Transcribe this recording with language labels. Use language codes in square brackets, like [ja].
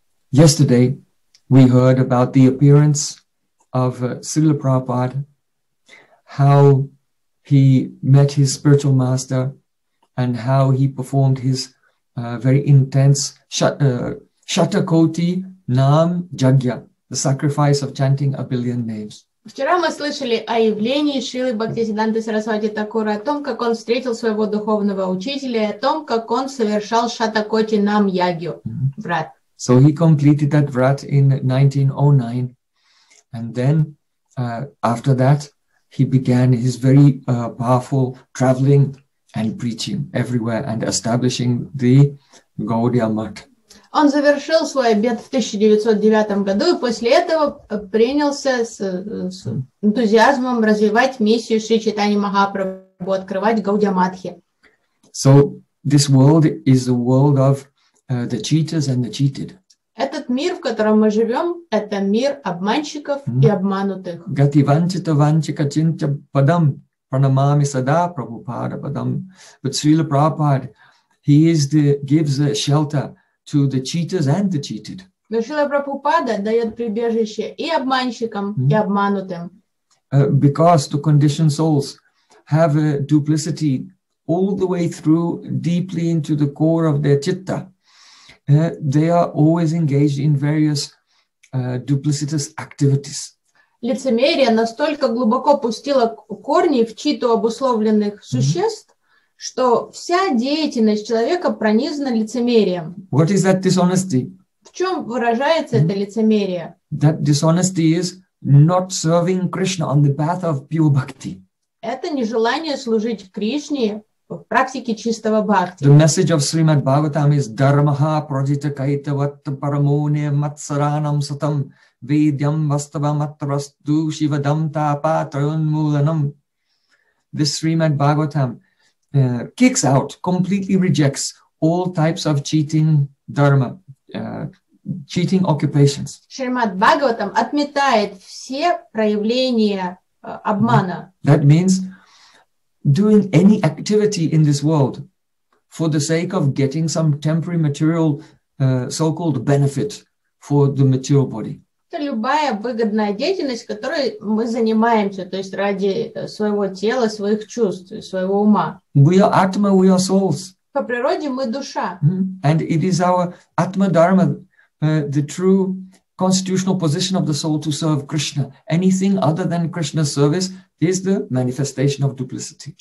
[en] Yesterday, we heard about the appearance of Srila Prabhupada, how he met his spiritual master, and how he performed his very intense Shatakoti Nam Jagya, the sacrifice of chanting a billion names. [ru] Вчера мы слышали о явлении Шрилы Бхактисиддханты Сарасвати Такура, о том, как он встретил своего духовного учителя, о том, как он совершал Шатакоти Нам Ягью, врат. [en] So he completed that врат in 1909. And then, after that, he began his very powerful traveling and preaching everywhere and establishing the Gaudiya Math. [ru] Он завершил свой обет в 1909 году и после этого принялся с энтузиазмом развивать миссию Шри Чайтаньи Махапрабху, открывать Гаудия Матхи. [en] So this world is the world of the cheaters and the cheated. [ru] Этот мир, в котором мы живем, это мир обманщиков и обманутых. [sa] Гати ванчита ванчика чинча падам пранамами сада прабхупада падам Бацвила Прабхупад. [en] He is the gives a shelter to the cheaters and the cheated. [ru] Шрила Прабхупада дает прибежище и обманщикам, и обманутым. [en] Because the conditioned souls have a duplicity all the way through deeply into the core of their chitta. They are always engaged in various duplicitous activities. [ru] Лицемерие настолько глубоко пустило корни в чьи-то обусловленных существ, что вся деятельность человека пронизана лицемерием. [en] What is that dishonesty? [ru] В чем выражается это лицемерие? [en] That dishonesty is not serving Krishna on the path of pure bhakti. [ru] Это нежелание служить Кришне в практике чистого бхакти. [en] The message of Srimad Bhagavatam is [sa] dharmaha prajita kaitavat paramone matsaranam satam vidyam vastava matrastu shivadam tapa trayonmulanam. [en] This Srimad Bhagavatam kicks out, completely rejects all types of cheating dharma, cheating occupations. [ru] Srimad Bhagavatam отметает все проявления обмана. [en] That means doing any activity in this world for the sake of getting some temporary material so-called benefit for the material body. [ru] Это любая выгодная деятельность, которой мы занимаемся, то есть ради своего тела, своих чувств, своего ума. [en] We are atma, we are souls. [ru] По природе мы душа. [en] And it is our atma dharma, the true constitutional position of the soul to serve Krishna. Anything other than Krishna's service is the manifestation of duplicity.